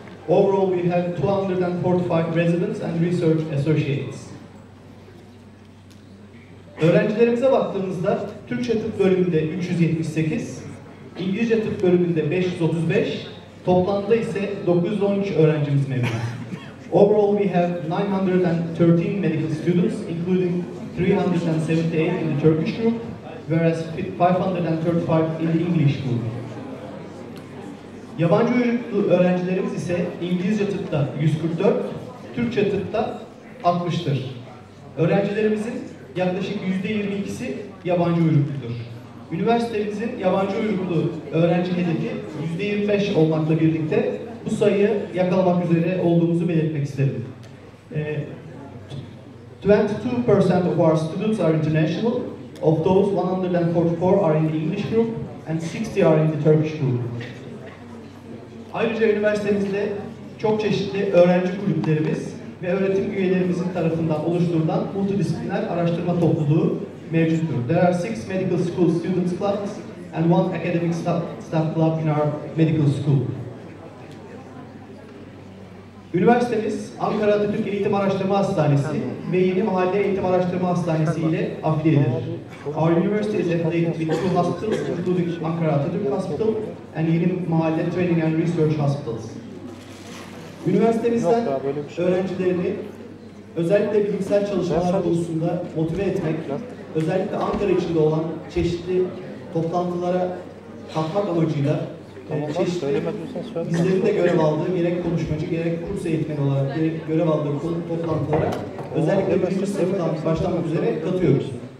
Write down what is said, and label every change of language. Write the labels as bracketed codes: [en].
[en] Overall we have 245 residents and research associates. [tr] Öğrencilerimize baktığımızda Türkçe tıp bölümünde 378, İngilizce tıp bölümünde 535, toplamda ise 913 öğrencimiz mevcut. [en] Overall we have 913 medical students including 378 in the Turkish group whereas 535 in the English group. [tr] Yabancı uyruklu öğrencilerimiz ise İngilizce tıpta 144, Türkçe tıpta 60'tır. Öğrencilerimizin yaklaşık %22'si yabancı uyruklu'dur. Üniversitemizin yabancı uyruklu öğrenci hedefi %25 olmakla birlikte bu sayıyı yakalamak üzere olduğumuzu belirtmek isterim. [en] 22% of our students are international. Of those, 144 are in the English group and 60 are in the Turkish group. [tr] Ayrıca üniversitemizde çok çeşitli öğrenci kulüplerimiz ve öğretim üyelerimizin tarafından oluşturulan multidisipliner araştırma topluluğu mevcuttur. [en] There are 6 medical school students clubs and 1 academic staff club in our medical school. [tr] Üniversitemiz Ankara Atatürk Eğitim Araştırma Hastanesi ve Yeni Mahalle Eğitim Araştırma Hastanesi ile afiliyedir. [en] Our university is affiliated with 2 hospitals including Ankara Atatürk Hospital and Yeni Mahalle Training and Research Hospitals. [tr] Üniversitemizden öğrencilerini özellikle bilimsel çalışmalar konusunda motive etmek, özellikle Ankara içinde olan çeşitli toplantılara katmak amacıyla çeşitli bizlerin de görev aldığı gerek konuşmacı gerek kurs eğitmeni olarak gerek görev aldığı toplantılara özellikle birinci sınıftan başlamak üzere katıyoruz.